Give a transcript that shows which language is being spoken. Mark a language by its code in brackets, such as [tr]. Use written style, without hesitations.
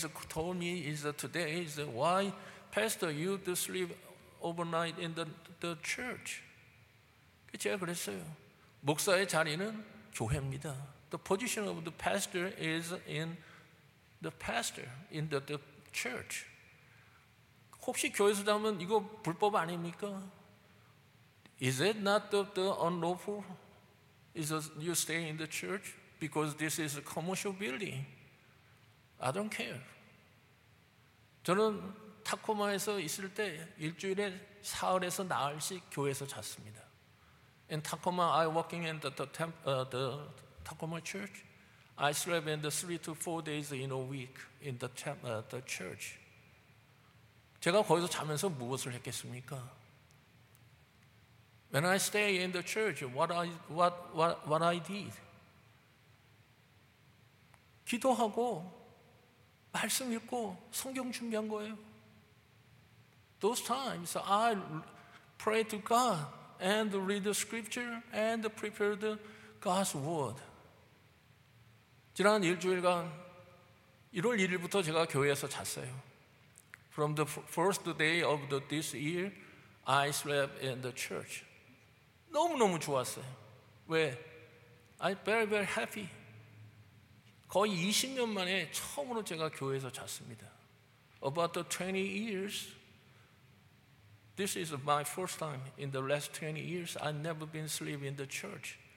[en] Someone told me today, why pastor you to sleep overnight in the church? [ko] 제가 그랬어요. 목사의 자리는 교회입니다. [en] The position of the pastor is in the pastor, in the church. [ko] 혹시 교회에서 자면 이거 불법 아닙니까? [en] Is it not the unlawful? Is you stay in the church? Because this is a commercial building. I don't care. [ko] 저는 타코마에서 있을 때 일주일에 사흘에서 나흘씩 교회에서 잤습니다. [en] In Tacoma, I working in the Tacoma church. I slept in the 3 to 4 days in a week in the church. [ko] 제가 거기서 자면서 무엇을 했겠습니까? [en] When I stay in the church, what I did? [ko] 기도하고 말씀 읽고 성경 준비한 거예요. [en] Those times I pray to God and read the scripture and prepare the God's word. [ko] 지난 일주일간 1월 1일부터 제가 교회에서 잤어요. [en] From the first day of this year, I slept in the church. [ko] 너무너무 좋았어요. 왜? [en] I'm very, very happy. [ko] 거의 20년 만에 처음으로 제가 교회에서 잤습니다. [en] About the 20 years, this is my first time in the last 20 years, I've never been sleep in the church.